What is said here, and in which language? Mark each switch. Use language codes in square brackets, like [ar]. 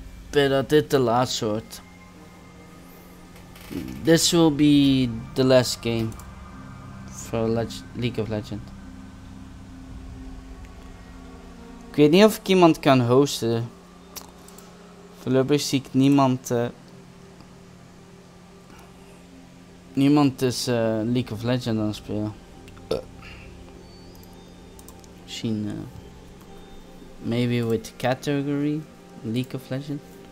[en] But I did the last sort. This will be the last game for League of Legends. [nl] Ik weet niet of ik iemand kan hosten. Voorlopig zie ik niemand. Niemand is League of Legends aan het spelen. Misschien. [en] Maybe with category League of Legends.